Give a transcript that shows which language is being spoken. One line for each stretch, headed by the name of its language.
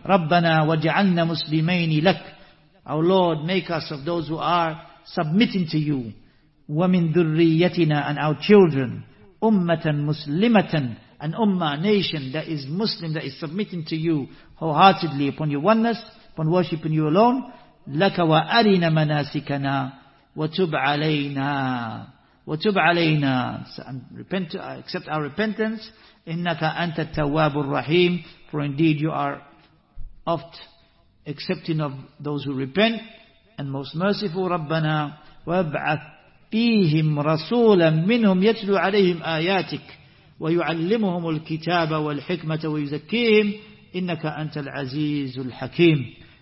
Arabic: رَبَّنَا وَجَعَلْنَا مُسْلِمَيْنِ لَكَ,
English: O Lord, make us of those who are submitting to you.
Arabic: وَمِنْ ذُرِّيَّتِنَا,
English: and our children,
Arabic: أُمَّةً مُسْلِمَةً,
English: an ummah, nation that is Muslim, that is submitting to you wholeheartedly upon your oneness, upon worshipping you alone.
Arabic: لَكَ وَأَرِنَا مَنَاسِكَنَا وَتُبْ عَلَيْنَا وَتُبْ عَلَيْنَا,
English: accept our repentance.
Arabic: إِنَّكَ أَنْتَ التَّوَّابُ الرَّحِيمُ,
English: for indeed you are oft accepting of those who repent, and most merciful.
Arabic: رَبَّنَا وَابْعَثْ فِيهِمْ رَسُولًا مِّنْهُمْ يَتْلُو عَلَيْهِمْ آيَاتِكَ وَيُعَلِّمُهُمُ الْكِتَابَ وَالْحِكْمَةَ وَيُزَكِّيهِمْ إِنَّكَ أَنْتَ الْعَزِيزُ الْحَكِيمُ.